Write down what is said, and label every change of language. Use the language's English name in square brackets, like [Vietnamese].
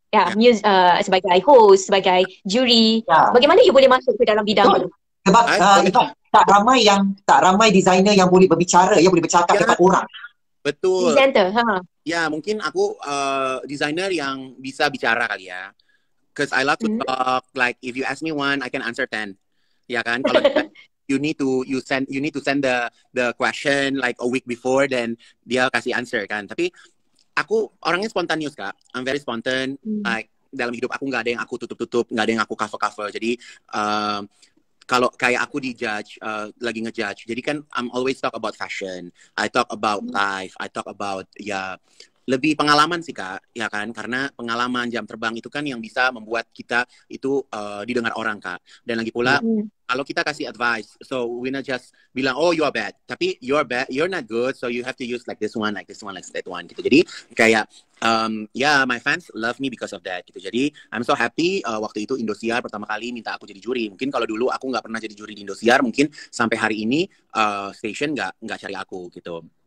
[Malay] Ya, news sebagai host, sebagai juri. [English] Yeah. [Malay] Bagaimana you boleh masuk ke dalam bidang itu? Sebab Ivan, tak ramai designer yang boleh berbicara, yang boleh bercakap dekat orang. Betul. Presenter, ha. [Indonesian] Ya, mungkin aku designer yang bisa bicara kali ya. [English] Because I love to talk. Like, if you ask me one, I can answer 10. [Indonesian] Ya kan? Kalau [English] you need to send the question like a week before, then [Indonesian] dia kasih [English] answer kan. [Indonesian] Tapi aku orangnya spontaneous, Kak. [English] I'm very spontan. [Indonesian] Like, dalam hidup aku nggak ada yang aku tutup-tutup, nggak ada yang aku cover-cover. Jadi, kalau kayak aku di-judge, lagi nge-judge, jadi kan [English] I'm always talk about fashion, I talk about life, I talk about, ya, [Indonesian] lebih pengalaman sih Kak, ya kan? Karena pengalaman jam terbang itu kan yang bisa membuat kita itu didengar orang Kak. Dan lagi pula, kalau kita kasih [English] advice, so we not just [Indonesian] bilang, [English] oh you are bad, [Indonesian] tapi [English] you are bad, you're not good, so you have to use like this one, like that one, gitu. [Indonesian] Jadi kayak, [English] yeah, my fans love me because of that, gitu. [Indonesian] Jadi [English] I'm so happy [Indonesian] waktu itu Indosiar pertama kali minta aku jadi juri. Mungkin kalau dulu aku nggak pernah jadi juri di Indosiar, mungkin sampai hari ini station nggak cari aku, gitu.